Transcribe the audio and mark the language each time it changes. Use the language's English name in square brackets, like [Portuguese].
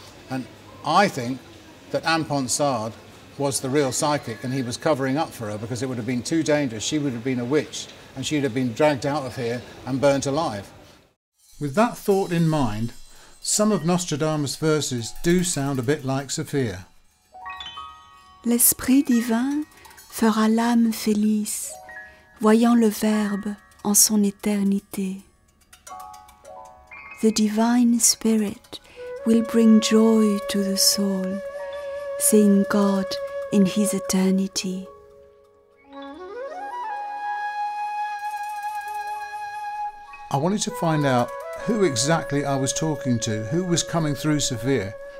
[English] And I think that Anne Ponsard was the real psychic and he was covering up for her because it would have been too dangerous. She would have been a witch and she'd have been dragged out of here and burnt alive. With that thought in mind, some of Nostradamus' verses do sound a bit like Sophia. [French] L'esprit divin fera l'âme félice, voyant le Verbe en son éternité. [English] The divine spirit will bring joy to the soul, seeing God in his eternity. I wanted to find out who exactly I was talking to, who was coming through Sophia.